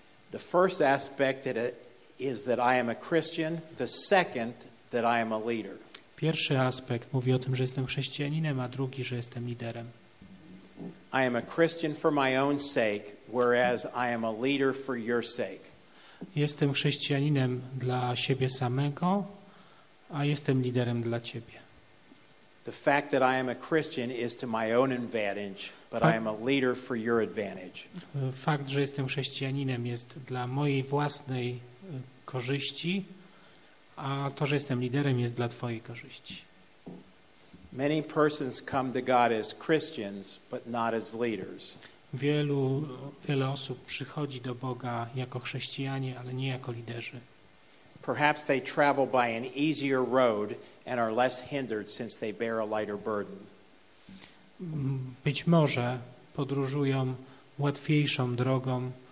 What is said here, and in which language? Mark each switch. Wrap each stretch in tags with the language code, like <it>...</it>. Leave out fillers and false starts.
<en>The first aspect is that I am a Christian. The second, that I am a leader.</en> <pl>Pierwszy aspekt mówi o tym, że jestem chrześcijaninem, a drugi, że jestem liderem.</pl> <en>I am a Christian for my own sake, whereas I am a leader for your sake.</en> <pl>Jestem chrześcijaninem dla siebie samego, a jestem liderem dla ciebie.</pl> <en>The fact that I am a Christian is to my own advantage, but I am a leader for your advantage.</en> <pl>Fakt, że jestem chrześcijaninem, jest dla mojej własnej korzyści, a to, że jestem liderem, jest dla twojej korzyści.</pl> <en>Many persons come to God as Christians, but not as leaders.</en> <pl>Wiele osób przychodzi do Boga jako chrześcijanie, ale nie jako liderzy.</pl> <en>Perhaps they travel by an easier road and are less hindered since they bear a lighter burden.</en> <pl>Być może podróżują łatwiejszą drogą.</pl>